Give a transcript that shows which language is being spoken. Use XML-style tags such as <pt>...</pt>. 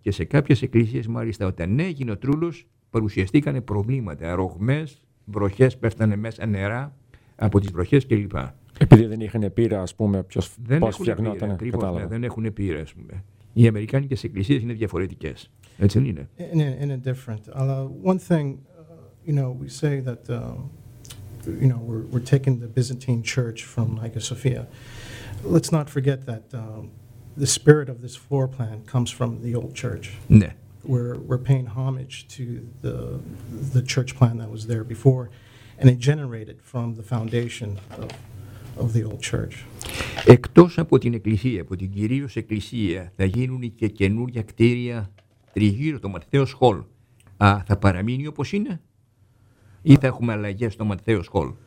<el>Και σε κάποιες εκκλησίες, μάλιστα, όταν έγινε ο τρούλος, παρουσιαστήκαν προβλήματα, αρρωγμές. Βροχές πέφτανε μέσα νερά από τις βροχές κλπ. Επειδή δεν είχαν πείρα, ας πούμε, ποιος πώς φτιαχνόταν. Δεν έχουν πείρα, ας πούμε. Οι Αμερικάνικες εκκλησίες είναι διαφορετικές. Έτσι δεν είναι? Ναι, είναι different. Αλλά</el> <en>one thing, you know, we say that, you know, we're taking the Byzantine church from Hagia Sophia. Let's not forget that the spirit of this floor plan comes from the old church.</en> <el>Ναι.</el> <en>We're paying homage to the church plan that was there before, and it generated from the foundation of the old church.</en> <el>Εκτός από την εκκλησία, από την κυρίως εκκλησία, θα γίνουν και καινούργια κτίρια τριγύρω, το Ματθαίος Χολ. Θα παραμείνει όπως είναι, ή θα έχουμε αλλαγές στο Ματθαίος Χολ?</el>